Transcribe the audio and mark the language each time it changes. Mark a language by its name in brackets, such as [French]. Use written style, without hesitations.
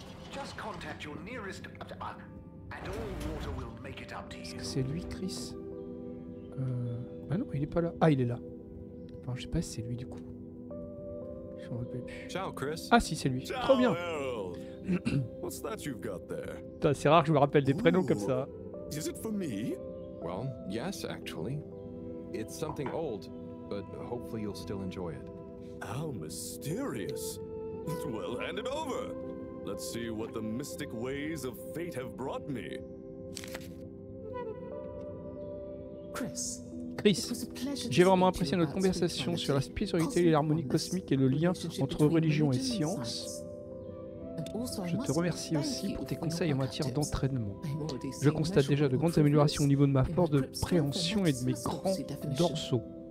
[English] Just contact your nearest and all water will make it up to you. [French] C'est lui, Chris? Ah non, il est pas là. Ah, il est là. Enfin, je sais pas si c'est lui du coup. Je m'en rappelle plus. Ciao, Chris. Ah si, c'est lui. Ciao, trop bien. [English] What's that you've got there? [French] Putain, c'est rare que je me rappelle des prénoms. Ooh, comme ça. [English] Is it for me? Well, yes, actually. It's something old, but hopefully you'll still enjoy it. How mysterious. Well, hand it over. Let's see what the mystic ways of fate have brought me. [French] Chris. Chris, j'ai vraiment apprécié notre conversation sur la spiritualité et l'harmonie cosmique et le lien entre religion et science. Je te remercie aussi pour tes conseils en matière d'entraînement. Je constate déjà de grandes améliorations au niveau de ma force de préhension et de mes grands dorsaux.